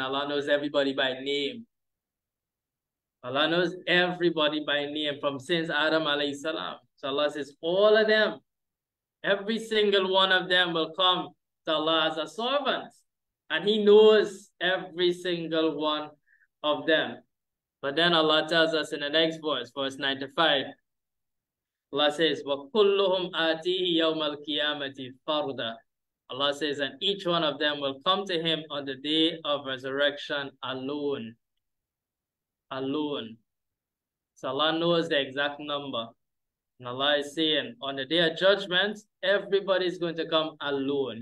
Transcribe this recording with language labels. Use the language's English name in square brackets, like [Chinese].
[English] Allah knows everybody by name. Allah knows everybody by name from since Adam alayhi salam. So Allah says, all of them, every single one of them will come to Allah as a servant. And He knows every single one of them. But then Allah tells us in the next verse 95. Allah says, [Arabic] وَكُلُّهُمْ آتِيهِ يَوْمَ الْقِيَامَةِ فَرْدًا. [English] Allah says, and each one of them will come to him on the day of resurrection alone. Alone. So Allah knows the exact number. And Allah is saying, on the day of judgment, everybody's going to come alone.